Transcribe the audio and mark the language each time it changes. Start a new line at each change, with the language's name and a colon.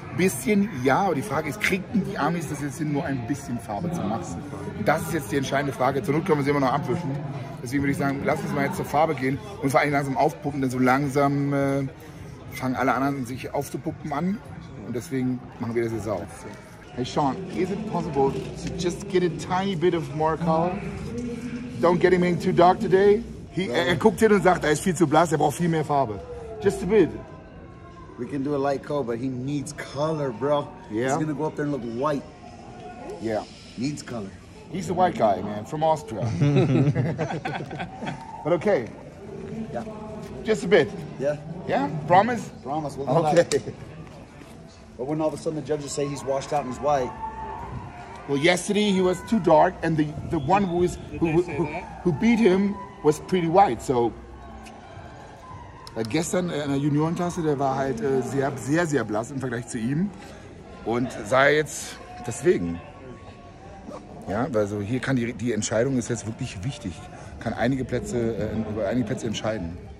German: Bisschen, ja, aber die Frage ist, kriegen die Amis das jetzt hin, nur ein bisschen Farbe zu machen? Das ist jetzt die entscheidende Frage. Zur Not können wir sie immer noch abwischen. Deswegen würde ich sagen, lass uns mal jetzt zur Farbe gehen und vor allem langsam aufpuppen, denn so langsam fangen alle anderen sich aufzupuppen an. Und deswegen machen wir das jetzt auf.
English: Hey Sean, is it possible to just get a tiny bit of more color? Don't get him in too dark today.
German: Er guckt hin und sagt, er ist viel zu blass, er braucht viel mehr Farbe.
English: Just a bit. We can do a light coat, but he needs color, bro. Yeah. He's gonna go up there and look white. Yeah. Needs color. He's a white guy, man, from Austria. But okay. Yeah. Just a bit. Yeah. Yeah? Promise? Promise. We'll okay. But when all of a sudden the judges say he's washed out and he's white. Well, yesterday he was too dark and the one who beat him was pretty white.
German: So, gestern in der Juniorenklasse, der war halt sehr, sehr, sehr blass im Vergleich zu ihm. Und sei jetzt deswegen. Ja, weil so hier kann die Entscheidung ist jetzt wirklich wichtig. Kann einige Plätze, über einige Plätze entscheiden.